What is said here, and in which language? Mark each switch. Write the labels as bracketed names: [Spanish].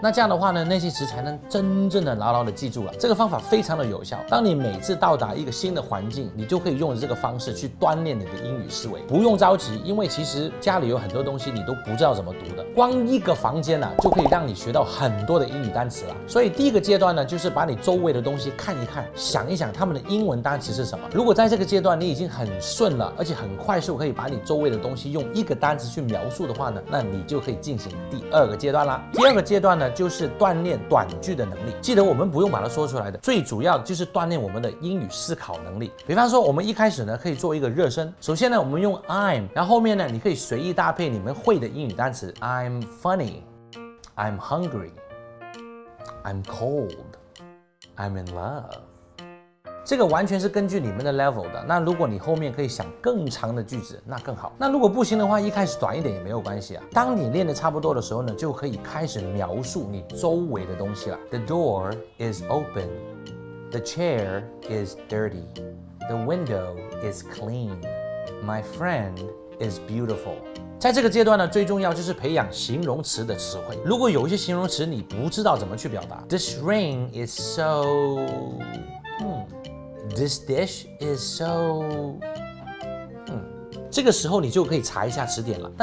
[Chinese] 那这样的话呢，那些词才能真正的牢牢的记住了。这个方法非常的有效，当你每次到达一个新的环境，你就可以用这个方式去锻炼你的英语思维。不用着急，因为其实家里有很多东西你都不知道怎么读的，光一个房间啊就可以让你学到很多的英语单词了。所以第一个阶段呢，就是把你周围的东西看一看，想一想他们的英文单词是什么。如果在这个阶段你已经很顺了，而且很快速可以把你周围的东西用一个单词去描述的话呢，那你就可以进行第二个阶段啦。第二个阶段呢，就是锻炼短句的能力。记得我们不用把它说出来的，最主要就是锻炼我们的英语思考能力。比方说我们一开始呢可以做一个热身。首先呢，我们用 I'm， 然后后面呢你可以随意搭配你们会的英语单词。 [English] I'm funny, I'm hungry, I'm cold, I'm in love。 [Chinese] 这个完全是根据你们的 level 的。那如果你后面可以想更长的句子，那更好。那如果不行的话，一开始短一点也没有关系啊。当你练得差不多的时候呢，就可以开始描述你周围的东西了。 [English] The door is open, the chair is dirty, the window is clean, my friendis beautiful。 [Chinese] 在这个阶段呢，最重要就是培养形容词的词汇。如果有一些形容词你不知道怎么去表达， [English] This ring is so This dish is so [Chinese] 这个时候你就可以查一下词典了。